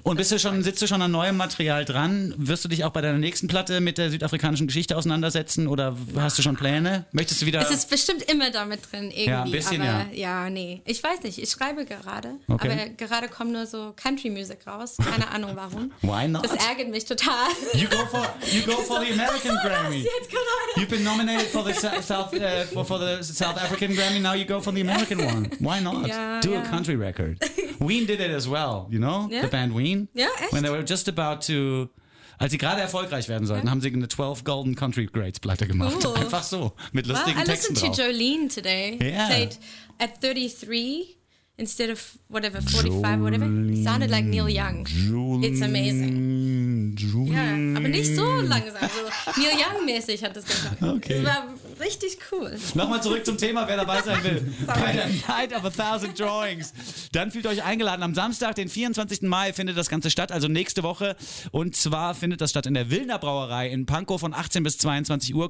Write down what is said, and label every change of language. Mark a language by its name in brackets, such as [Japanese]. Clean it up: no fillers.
[German] Und sitzt du schon an neuem Material dran? Wirst du dich auch bei deiner nächsten Platte mit der südafrikanischen Geschichte auseinandersetzen oder hast du schon Pläne? Möchtest du wieder? Es ist bestimmt immer damit drin irgendwie. Ja, ein bisschen, aber, ja. Ja, nee. Ich weiß nicht, ich schreibe gerade, aber gerade kommt nur so Country-Music raus. Keine Ahnung warum. [English] Why not? [German] Das ärgert mich total. [English] You go for the American Grammy. You've been nominated for the South African Grammy, now you go for the American one. Why not? Do a country record. Ween did it as well. You know, the band Ween? [German] Ja, echt? [English] When they were just about to, [German] als sie gerade erfolgreich werden sollten, haben sie eine 12 Golden Country Greats Platte gemacht. Cool. Einfach so, mit lustigen Texten drauf. [English] I listened to Jolene today. Yeah. Played at 33 instead of whatever, 45, whatever. Sounded like Neil Young. It's amazing. [German] Aber nicht so langsam. Neil Young-mäßig hat das gemacht. Okay. Das war richtig cool. Nochmal zurück zum Thema, wer dabei sein will. Sorry. Bei der Night of 1000 Drawings. Dann fühlt euch eingeladen. Am Samstag, den 24. Mai, findet das Ganze statt, also nächste Woche. Und zwar findet das statt in der Wilner Brauerei in Pankow von 18 bis 22 Uhr.